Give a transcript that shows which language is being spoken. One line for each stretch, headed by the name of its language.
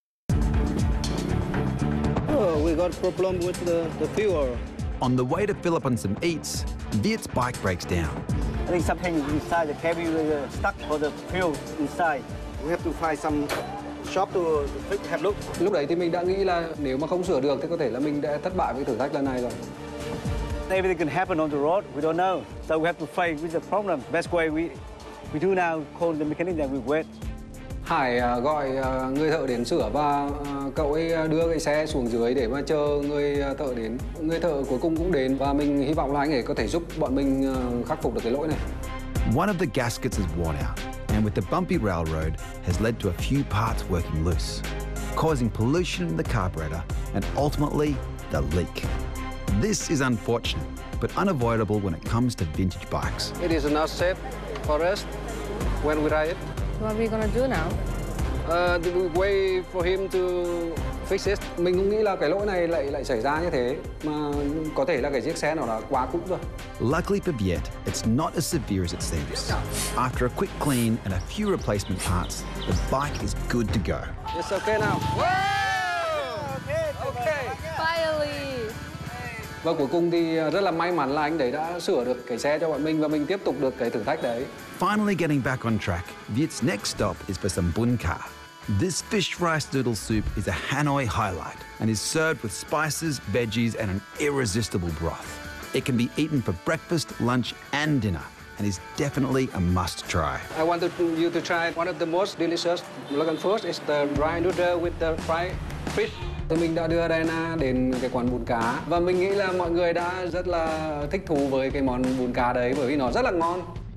English: Oh, we got problem with the fuel. On the way to fill up on some eats, Viet's bike breaks down. I think something inside the cabin is stuck for the fuel inside. We have to find some shop to take a look.
Vietnamese: Lúc đấy thì mình đã nghĩ là nếu mà không sửa được thì có thể là mình đã thất bại với thử thách lần này rồi.
English: Everything can happen on the road, we don't know. So we have to face with the problem. Best way we do now call the mechanic that we wait.
Vietnamese: Hải gọi người thợ đến sửa và cậu ấy đưa cái xe xuống dưới để mà chờ người thợ đến. Người thợ cuối cùng cũng đến và mình hy vọng là anh ấy có thể giúp bọn mình khắc phục được cái lỗi này.
English: One of the gaskets is worn out and with the bumpy railroad has led to a few parts working loose, causing pollution in the carburetor and ultimately the leak. This is unfortunate, but unavoidable when it comes to vintage bikes. It is not safe for us when we ride it. What are we gonna do now? We wait for him to fix it.
Vietnamese: Mình cũng nghĩ là cái lỗi này lại xảy ra như thế, mà có thể là cái chiếc xe nào là quá cũ rồi.
English: Luckily for Viet, it's not as severe as it seems. After a quick clean and a few replacement parts, the bike is good to go. It's okay now. Whoa! Okay. Finally.
Vietnamese: Và cuối cùng thì rất là may mắn là anh đấy đã sửa được cái xe cho bọn mình và mình tiếp tục được cái thử thách đấy.
English: Finally getting back on track, Viet's next stop is for some bún cá. This fish rice noodle soup is a Hanoi highlight and is served with spices, veggies and an irresistible broth. It can be eaten for breakfast, lunch and dinner and is definitely a must try. I want you to try one of the most delicious Lagan food. It's the rice noodle with the fried fish.
Vietnamese: Thì mình đã đưa Dana đến cái quán bún cá và mình nghĩ là mọi người đã rất là thích thú với cái món bún cá đấy bởi vì nó rất là ngon.